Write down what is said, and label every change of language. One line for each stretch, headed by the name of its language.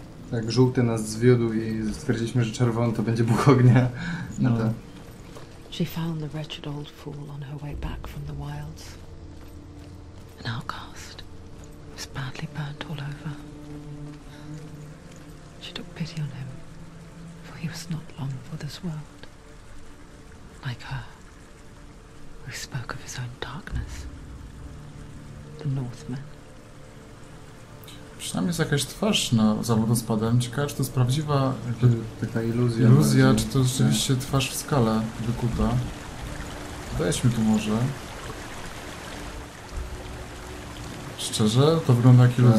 Polish: Tak, żółty nas zwiódł i stwierdziliśmy, że czerwony to będzie Bóg Ognia. No to.
English: She found the wretched old fool on her way back from the wilds. An outcast was badly burnt all over. She took pity on him, for he was not long for this world. Like her, who spoke of his own darkness, the Northman.
Polish: Przynajmniej jest jakaś twarz na za wodospadem. Ciekawe, czy to jest prawdziwa taka iluzja. Iluzja, czy to rzeczywiście twarz w skale wykuta. Weźmy tu może. Szczerze? To wygląda jak iluzja.